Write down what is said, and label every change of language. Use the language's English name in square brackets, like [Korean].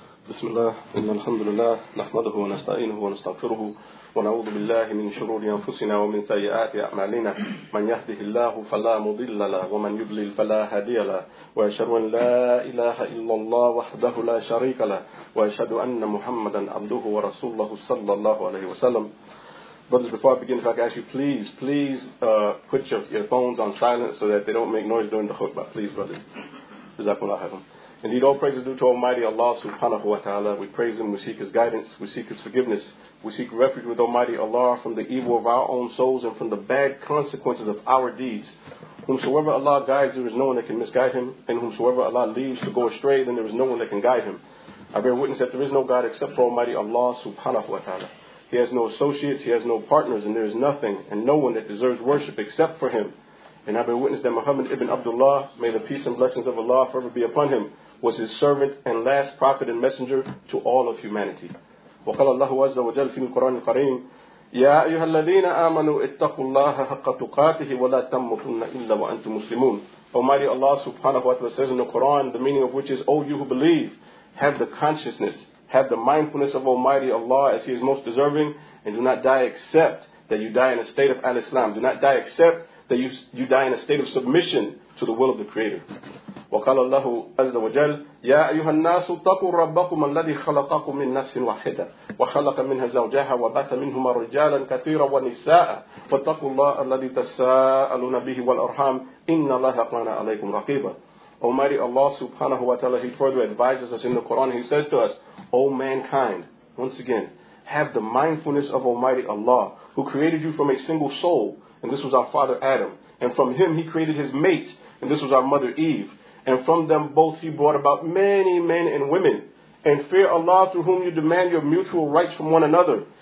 [Arabic] بسم الله إن الحمد لله نحمده ونستعينه ونستغفره ونعوذ بالله من شرور أنفسنا ومن سيئات أعمالنا من يهده الله فلا مضل له ومن يضلل فلا هادي له وأشهد أن لا إله إلا الله وحده لا شريك له وأشهد أن محمدا عبده ورسوله صلى الله عليه وسلم. [English] Brothers, before I begin, if I could ask you, please put your phones on silent so that they don't make noise during the khutbah. Please, brothers. Jazakallah khairan. Indeed, all praise is due to Almighty Allah subhanahu wa ta'ala. We praise Him, we seek His guidance, we seek His forgiveness. We seek refuge with Almighty Allah from the evil of our own souls and from the bad consequences of our deeds. Whomsoever Allah guides, there is no one that can misguide him. And whomsoever Allah leaves to go astray, then there is no one that can guide him. I bear witness that there is no God except for Almighty Allah subhanahu wa ta'ala. He has no associates, he has no partners, and there is nothing and no one that deserves worship except for him. And I bear witness that Muhammad ibn Abdullah, may the peace and blessings of Allah forever be upon him, was his servant and last prophet and messenger to all of humanity. [Arabic] وقال الله عز وجل في القرآن الكريم يا أيها الذين آمنوا اتقوا الله حق تقاته ولا تموتن إلا وأنتم مسلمون. [English] Almighty Allah subhanahu wa ta'ala says in the Quran, the meaning of which is, O you who believe, have the consciousness, have the mindfulness of Almighty Allah as He is most deserving, and do not die except that you die in a state of al-Islam. Do not die except that you die in a state of submission to the will of the Creator. [Arabic] وقال الله عز وجل يا أيها الناس اتقوا ربكم الذي خلقكم من نفس واحدة وخلق منها زوجها وبث منهما رجالا كثيرا ونساء واتقوا الله الذي تساءلون به والأرحام إن الله كان عليكم رقيبا. [English] Almighty Allah subhanahu wa ta'ala, He further advises us in the Quran. He says to us, O mankind, once again, have the mindfulness of Almighty Allah, who created you from a single soul, and this was our father Adam, and from him He created his mate, and this was our mother Eve. And from them both He brought about many men and women. And fear Allah through whom you demand your mutual rights from one another.